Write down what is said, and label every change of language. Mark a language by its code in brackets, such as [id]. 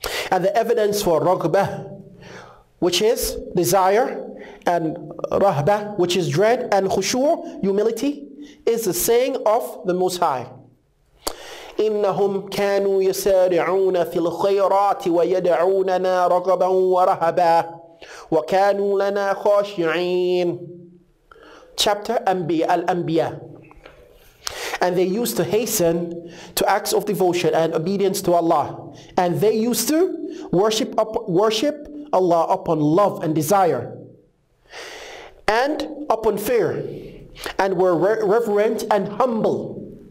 [en] And the evidence for Raghbah, which is desire, and Rahbah, which is dread, and Khushu', humility, is the saying of the Most High. [ar] إنهم كانوا يسارعون في الخيرات ويدعوننا رغبا ورهبا وكانوا لنا خاشعين. [en] Chapter Al-Anbiya. And they used to hasten to acts of devotion and obedience to Allah. And they used to worship Allah upon love and desire and upon fear, and were reverent and humble.